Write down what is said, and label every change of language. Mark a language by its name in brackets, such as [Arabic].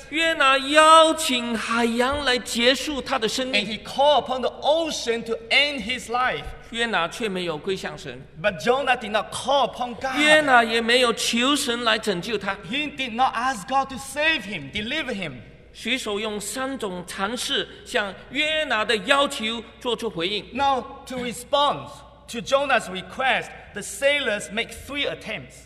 [Chinese] 约拿邀请海洋来结束他的生命 [English] ，And he called upon the ocean to end his life。 [Chinese] 约拿却没有归向神。 [English] But Jonah did not call upon God。 [Chinese] 约拿也没有求神来拯救他。 [English] He did not ask God to save him, deliver him。 [Chinese] 水手用三种尝试向约拿的要求做出回应。 [English] Now to respond to Jonah's request, the sailors make three attempts。